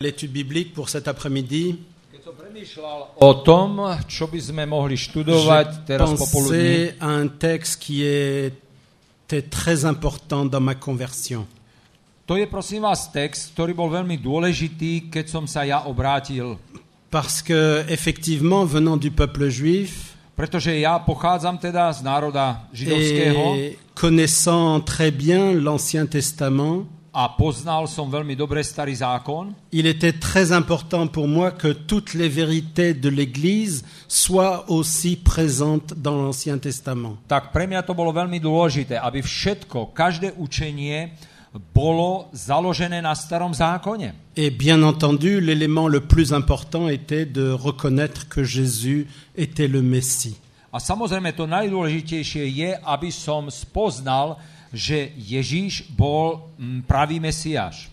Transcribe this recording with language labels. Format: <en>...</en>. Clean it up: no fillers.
<fr>L'étude biblique pour cet après-midi.</fr> <sk>O tom, čo by sme mohli študovať teraz popoludní.</sk> <fr>C'est un texte qui était très important dans ma conversion.</fr> <sk>To je prosím vás text, ktorý bol veľmi dôležitý, keď som sa ja obrátil.</sk> <fr>Parce que effectivement venant du peuple juif,</fr> <sk>pretože ja pochádzam teda z národa židovského,</sk> <fr>connaissant très bien l'Ancien Testament.</fr> <sk>A poznal som veľmi dobre starý zákon.</sk> <fr>Il était très important pour moi que toutes les vérités de l'église soient aussi présentes dans l'Ancien Testament.</fr> <sk>Tak pre mňa to bolo veľmi dôležité, aby všetko, každé učenie bolo založené na starom zákone.</sk> <fr>Et bien entendu, l'élément le plus important était de reconnaître que Jésus était le Messie.</fr> <sk>A samozrejme to najdôležitejšie je, aby som spoznal, že Ježíš bol pravý mesiáš.</sk>